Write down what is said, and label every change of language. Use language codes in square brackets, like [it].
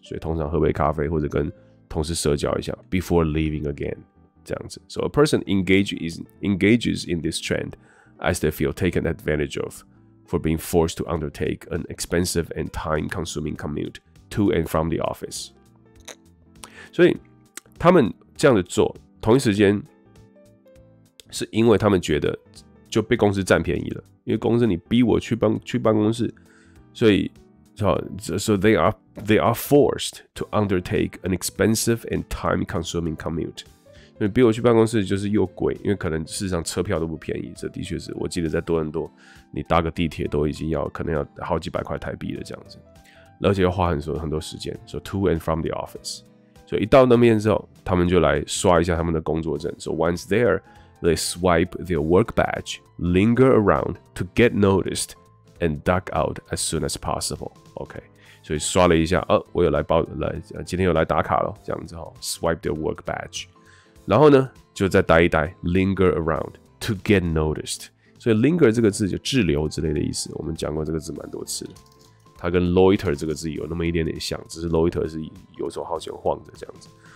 [zh] 所以通常喝杯咖啡或者跟同事社交一下 [en] before leaving again. [zh] 这样子 [en] So a person engages in this trend as they feel taken advantage of for being forced to undertake an expensive and time-consuming commute to and from the office. [zh] 所以他们这样子做，同一时间是因为他们觉得就被公司占便宜了，因为公司你逼我去办公室，所以 [en] so they are forced to undertake an expensive and time consuming commute。 [zh] 因为逼我去办公室就是又贵，因为可能事实上车票都不便宜，这的确是我记得在多伦多，你搭个地铁都已经要可能要好几百块台币了这样子，而且要花很多时间 ， [en] so to and from the office。 [zh] 所以一到那边之后，他们就来刷一下他们的工作证 ， [en] so once there。 They swipe their work badge, linger around to get noticed, and duck out as soon as possible. Okay, [zh] 所以刷了一下，我有来报来，今天有来打卡了，这样子哈。 [en] Swipe their work badge, [zh] 然后呢，就再待一待 [en] ，linger around to get noticed. [zh] 所以 linger 这个字就滞留之类的意思，我们讲过这个字蛮多次的。它跟 loiter 这个字有那么一点点像，只是 loiter 是游手好闲晃着这样子。